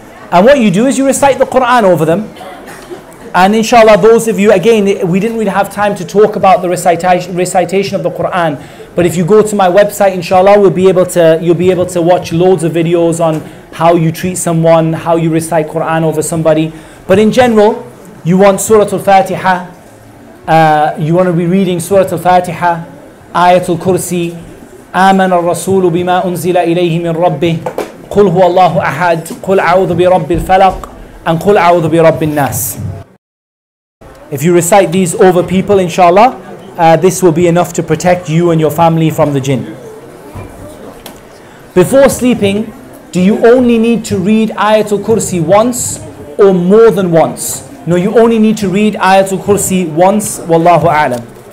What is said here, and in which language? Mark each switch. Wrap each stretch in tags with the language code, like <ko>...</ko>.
<en>And what you do is you recite the Quran over them. And inshallah, those of you, again, we didn't really have time to talk about the recitation of the Quran. But if you go to my website, inshallah, you'll be able to watch loads of videos on how you treat someone, how you recite Quran over somebody. But in general, you want Surah Al-Fatiha. You want to be reading Surah Al-Fatiha, Ayatul Kursi,</en> <ar>آمن الرسول بما أنزل إليه من ربه قل هو الله أحد قل أعوذ برب الفلق and قل أعوذ برب الناس.</ar> <en>If you recite these over people inshallah, this will be enough to protect you and your family from the jinn. Before sleeping, do you only need to read Ayatul Kursi once or more than once? No, you only need to read Ayatul Kursi once. Wallahu A'lam.</en>